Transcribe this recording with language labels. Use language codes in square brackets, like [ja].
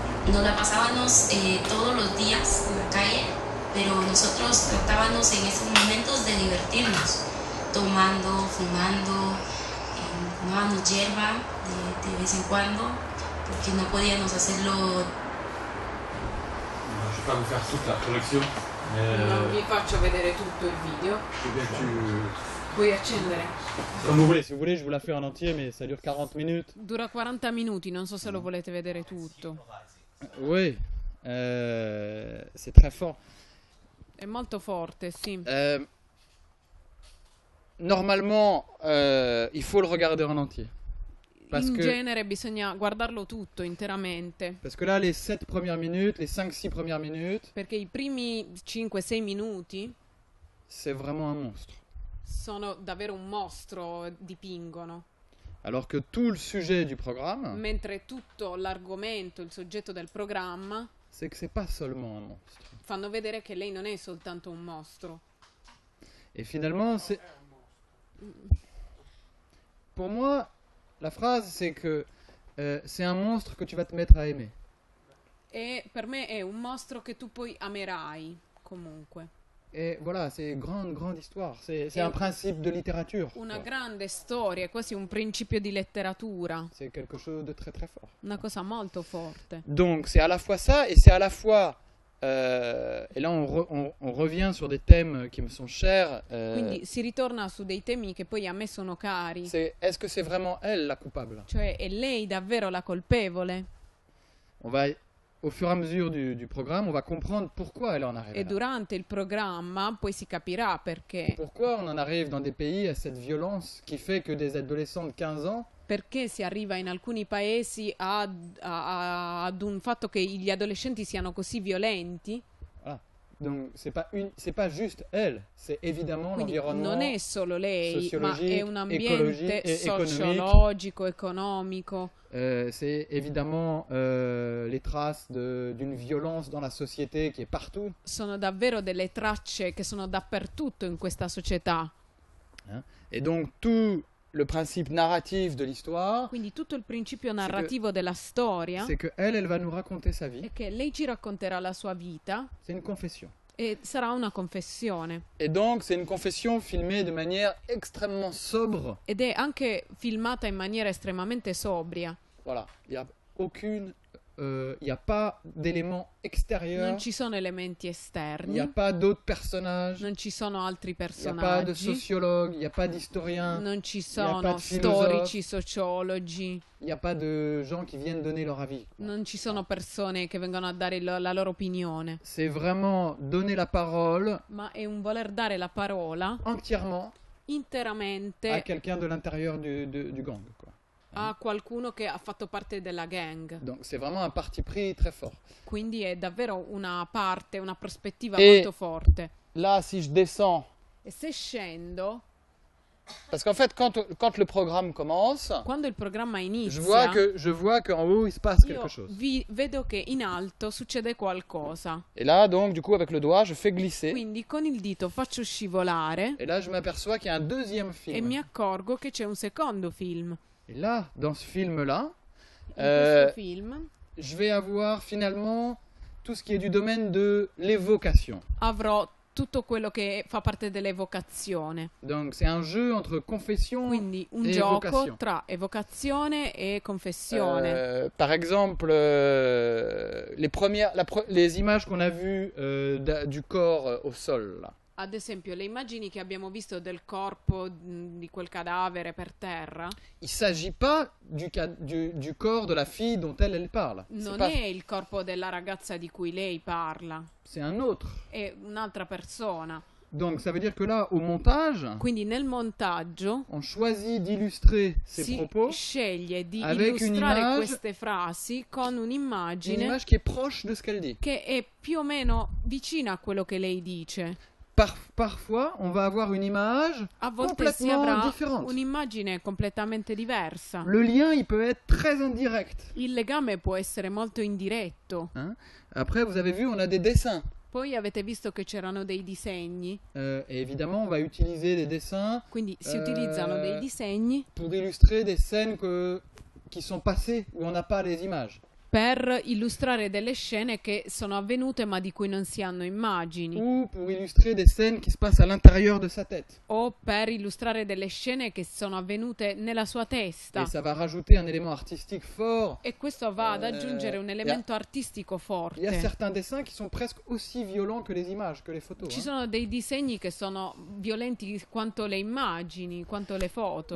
[es] Nos la pasábamos todos los días en la calle, pero nosotros tratábamos en esos momentos de divertirnos, tomando, fumando, tomábamos hierba de vez en cuando. Porque no podíamos hacerlo. [fr] No, je vais pas vous faire toute la collection. [it] Non, vi faccio vedere tutto il video. Puoi accendere. [fr] Comme vous voulez, si vous voulez, je vous la fais en entier, mais ça dure 40 minutes. [it] Dura 40 minuti, non so se lo volete vedere tutto. [fr] Oui, c'est très fort. [it] È molto forte, sì. [fr] Normalement, il faut le regarder en entier. [it] Parce in genere bisogna guardarlo tutto interamente. [fr] Parce que là les 7 premières minutes, les 5 6 premières minutes. [it] Perché i primi 5 6 minuti [fr] c'est vraiment un monstre. [it] Sono davvero un mostro, dipingono. [fr] Alors que tout le sujet du programme, [it] mentre tutto l'argomento, il soggetto del programma, [fr] c'est que c'est pas seulement un monstre. [it] Fanno vedere che lei non è soltanto un mostro. [fr] Et finalement c'est pour moi. La phrase, c'est que c'est un monstre que tu vas te mettre à aimer. Et pour moi, c'est un monstre que tu peux aimer, comunque. Et voilà, c'est une grande, grande histoire. C'est un principe de littérature. [it] Una grande storia, quasi un principio di letteratura. [fr] C'est quelque chose de très, très fort. [it] Una cosa molto forte. [fr] Donc, c'est à la fois ça, et c'est à la fois. Et là, on revient sur des thèmes qui me sont chers. [it] Quindi si ritorna su dei temi che poi a me sono cari. [fr] Est-ce que c'est vraiment elle la coupable? [it] Cioè, è lei davvero la colpevole? [fr] On va, au fur et à mesure du programme, on va comprendre pourquoi elle en arrive. [it] E durante il programma poi si capirà perché. [fr] Pourquoi on en arrive dans des pays à cette violence qui fait que des adolescents de 15 ans. [it] Perché si arriva in alcuni paesi ad un fatto che gli adolescenti siano così violenti? [fr] Ah, donc c'est pas juste elle, c'est évidemment l'environnement. [it] Non è solo lei, ma è un ambiente sociologico, economico. [fr] C'est évidemment les traces d'une violence dans la société qui est partout. [it] Sono davvero delle tracce che sono dappertutto in questa società. Hein? [fr] Et donc tout le principe narratif de l'histoire. [it] Quindi tutto il principio narrativo della storia. [fr] C'est que elle va nous raconter sa vie. [it] E che lei ci racconterà la sua vita. [fr] C'est une confession. [it] E sarà una confessione. [fr] Et donc c'est une confession filmée de manière extrêmement sobre. [it] Ed è anche filmata in maniera estremamente sobria. [fr] Voilà, il y a aucune il y a pas d'élément extérieur. [it] Non ci sono elementi esterni. [fr] Il y a pas d'autres personnages. [it] Non ci sono altri personaggi. [fr] Il y a pas de sociologue, il y a pas d'historien. [it] Non ci sono storici, sociologi. [fr] Il y a pas de gens qui viennent donner leur avis. [it] Non ci sono persone che vengono a dare la loro opinione. [fr] C'est vraiment donner la parole. [it] Ma è un voler dare la parola. [fr] Entièrement. [it] Interamente. [fr] A quelqu'un de l'intérieur du gang, quoi. [it] A qualcuno che ha fatto parte della gang. [fr] Donc, c'est vraiment un parti pris très fort. [it] Quindi è davvero una parte, una prospettiva molto forte. [fr] Là, si je descends. [it] E se scendo. [fr] Parce qu'en fait, quand le programme commence. [it] Quando il programma inizia. [fr] Je vois qu'en haut il se passe quelque chose. [it] Vedo che in alto succede qualcosa. [fr] Et là, donc, du coup, avec le doigt, je fais glisser. [it] Quindi con il dito faccio scivolare. [fr] Et là, je m'aperçois qu'il y a un deuxième film. [it] E mi accorgo che c'è un secondo film. [fr] Et là, dans ce film-là, je vais avoir finalement tout ce qui est du domaine de l'évocation. [it] Avrò tutto quello che fa parte dell'evocazione. [fr] Donc, c'est un jeu entre confession et évocation. [it] Quindi, un gioco tra evocazione e confessione. [fr] Par exemple, les images qu'on a vues du corps au sol. Là. [it] Ad esempio, le immagini che abbiamo visto del corpo di quel cadavere per terra. [fr] Il s'agit pas du corps de la fille dont elle parle. [it] Non è il corpo della ragazza di cui lei parla. [fr] C'est un autre. [it] È un'altra persona. [fr] Donc ça veut dire que là au montage. [it] Quindi nel montaggio. [fr] On choisit d'illustrer ces propos. [it] Si sceglie di illustrare queste frasi con un'immagine. Un'immagine [fr] qui est proche de ce qu'elle dit. [it] Che è più o meno vicina a quello che lei dice. [fr] Parfois, on va avoir une image complètement différente. [it] Un'immagine completamente diversa. [fr] Le lien, il peut être très indirect. [it] Il legame può essere molto indiretto. Hein? [fr] Après, vous avez vu, on a des dessins. [it] Poi avete visto che c'erano dei disegni. [fr] Et évidemment, on va utiliser des dessins. [it] Quindi si utilizzano dei disegni. [fr] Pour illustrer des scènes qui sont passées où on n'a pas les images. [it] Per illustrare delle scene che sono avvenute ma di cui non si hanno immagini. [fr] Ou pour illustrer des scènes qui se passent à l'intérieur de sa tête. [it] O per illustrare delle scene che sono avvenute nella sua testa. [fr] Et ça va rajouter un élément artistique fort. [it] E questo va ad aggiungere un elemento artistico forte. [fr] Il y a certains dessins qui sont presque aussi violents que les images, que les photos. [it] Ci sono dei disegni che sono violenti quanto le immagini, quanto le foto.